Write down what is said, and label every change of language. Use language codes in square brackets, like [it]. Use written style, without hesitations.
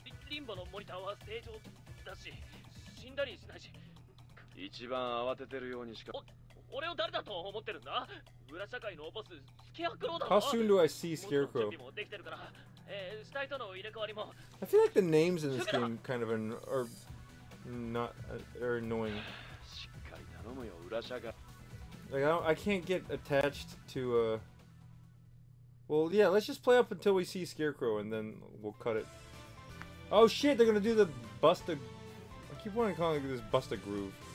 [ja] リンボのモニターは正常だし、死んだりしないし。一番慌ててるようにしか。俺を誰だと思ってるんだ？裏社会のボス、スケアクローだ。 [en] How soon do I see Scarecrow? [ja] もう準備もできてるから。死体との入れ替わりも。 [en] I feel like the names in this game kind of are annoying. [ja] しっかり頼むよ、裏社会。 [en] Like I can't get attached to a. Well, yeah, let's just play up until we see Scarecrow and then we'll cut it. Oh shit, they're gonna do the Busta. I keep wanting to call it this Busta Groove.